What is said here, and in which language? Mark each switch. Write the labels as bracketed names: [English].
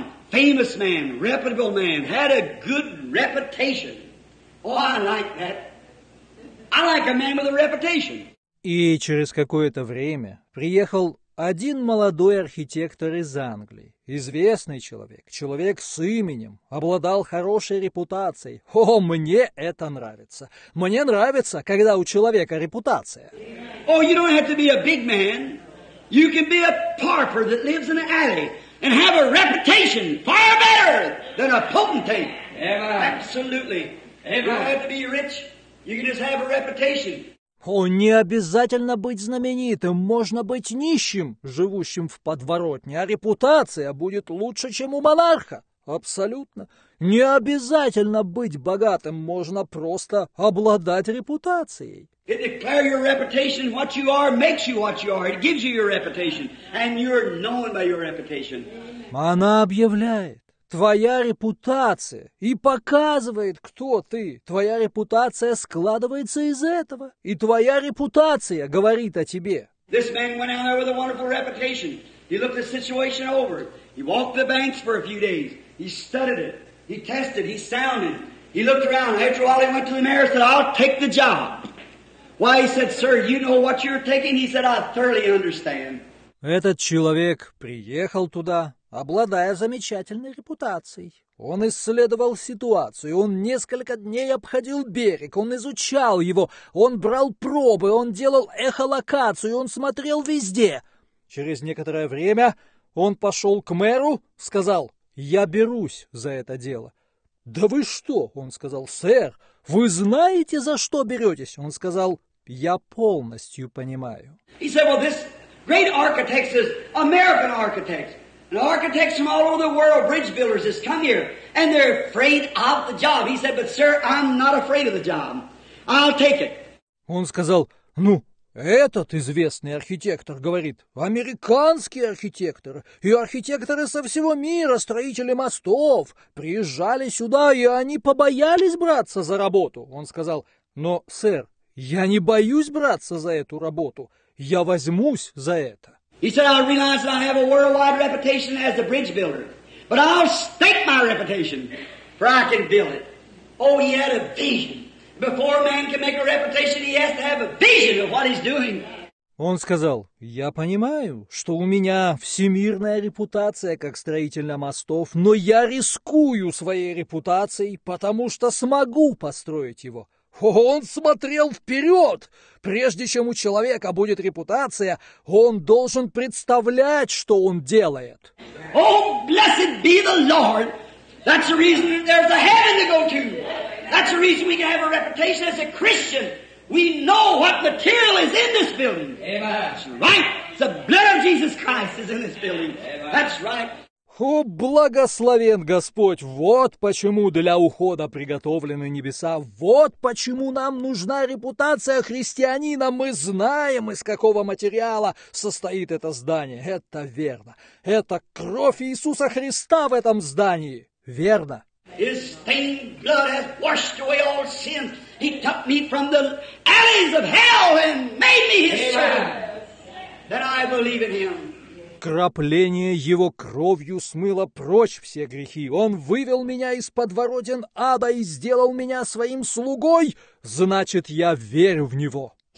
[English] Famous man, reputable man, had a good reputation. Oh, I like that. I like a man with a reputation. [Russian] И через какое-то время приехал один молодой архитектор из Англии. Известный человек, человек с именем, обладал хорошей репутацией. О, мне это нравится. Мне нравится, когда у человека репутация. [English] Oh, you don't have to be a big man. You can be a pauper that lives in an alley. And have a reputation far better than a potentate. Amen. Absolutely. Amen. You don't have to be rich. You can just have a reputation. [Russian] О, не обязательно быть знаменитым. Можно быть нищим, живущим в подворотне. А репутация будет лучше, чем у монарха. Абсолютно. Не обязательно быть богатым. Можно просто обладать репутацией. [English] It declares your reputation. What you are makes you what you are. It gives you your reputation. And you're known by your reputation. [Russian] Она объявляет. Твоя репутация и показывает, кто ты. Твоя репутация складывается из этого. И твоя репутация говорит о тебе. [English] This man went out there with a wonderful reputation. He looked the situation over. He walked the banks for a few days. He studied it. He tested. He sounded. He looked around. After a while, he went to the mayor and said, I'll take the job. Why, he said, sir, you know what you're taking? He said, I thoroughly understand. [Russian] Этот человек приехал туда, обладая замечательной репутацией. Он исследовал ситуацию, он несколько дней обходил берег, он изучал его, он брал пробы, он делал эхолокацию, он смотрел везде. Через некоторое время он пошел к мэру, сказал: «Я берусь за это дело». «Да вы что?» — он сказал. «Сэр, вы знаете, за что беретесь?» Он сказал: «Я полностью понимаю». [English] He said, well, this great architect is American architect. An architect from all over the world, bridge builders, has come here. And they're afraid of the job. He said, but sir, I'm not afraid of the job. I'll take it. [Russian] Он сказал: «Ну, этот известный архитектор, говорит, американский архитектор, и архитекторы со всего мира, строители мостов, приезжали сюда, и они побоялись браться за работу». Он сказал: «Но, сэр, я не боюсь браться за эту работу, я возьмусь за это». [English] He said, I realize that I have a worldwide reputation as a bridge builder, but I'll stake my reputation, for I can build it. Oh, he had a vision. Before a man can make a reputation, he has to have a vision of what he's doing. [Russian] Он сказал: «Я понимаю, что у меня всемирная репутация как строителя мостов, но я рискую своей репутацией, потому что смогу построить его». Он смотрел вперед. Прежде чем у человека будет репутация, он должен представлять, что он делает. [English] Oh, blessed be the Lord! That's the reason there's a heaven to go to. That's the reason we can have a reputation as a Christian. We know what material is in this building. Amen. That's right. The blood of Jesus Christ is in this building. Amen. That's right. [Russian] О, благословен Господь! Вот почему для ухода приготовлены небеса. Вот почему нам нужна репутация христианина. Мы знаем, из какого материала состоит это здание. Это верно. Это кровь Иисуса Христа в этом здании. Верно. [English] His stained blood has washed away all sins. He took me from the alleys of hell and made me his servant. That I believe in him. [Russian] Кропление его кровью смыло прочь все грехи. Он вывел меня из подворотен ада и сделал меня своим слугой. Значит, я верю в него.